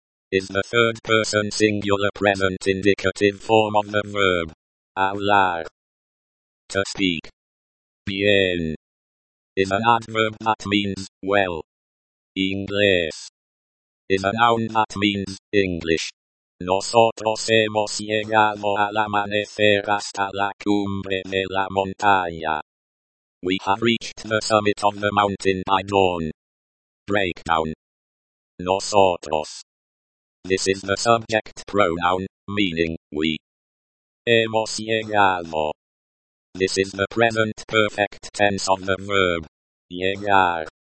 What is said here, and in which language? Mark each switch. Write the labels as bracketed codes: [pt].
[en] Is the third person singular present indicative form of the verb. Hablar. To speak. Bien. Is an adverb that means, well. Inglés. Is a noun that means, English. [es] Nosotros hemos llegado al amanecer hasta la cumbre de la montaña. [en] We have reached the summit of the mountain by dawn. Breakdown. Nosotros. This is the subject pronoun, meaning, we. [es] Hemos llegado. [en] This is the present perfect tense of the verb. Llegar.